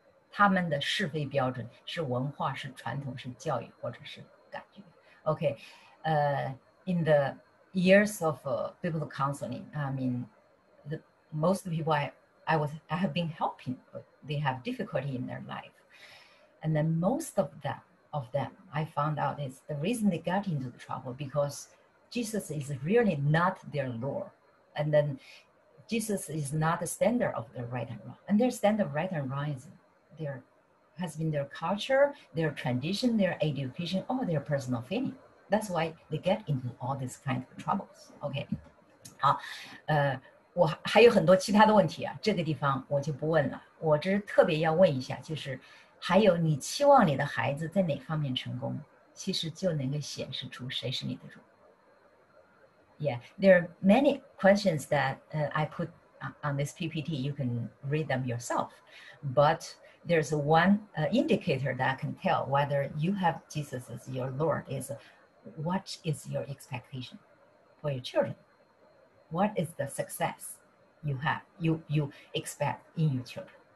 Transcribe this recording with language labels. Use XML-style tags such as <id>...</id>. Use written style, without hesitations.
<zh>他们的是非标准是文化，是传统，是教育，或者是感觉。</zh> <en>OK, in theyears of biblical counseling, I mean, most people I have been helping, but they have difficulty in their life. And then most of them, I found out is the reason they got into the trouble because Jesus is really not their Lord. And then Jesus is not the standard of their right and wrong. And their standard of right and wrong has been their culture, their tradition, their education, or their personal feeling. That's why they get into all these kinds of troubles. Okay.</en> <zh>好，我还有很多其他的问题啊，这个地方我就不问了。我只是特别要问一下，就是还有你期望你的孩子在哪方面成功，其实就能够显示出谁是你的主。</zh> <en>Yeah, there are many questions that I put on this PPT. You can read them yourself. But there's one indicator that can tell whether you have Jesus as your Lord is. What is your expectation for your children? What is the success you have, you expect in your children?</en>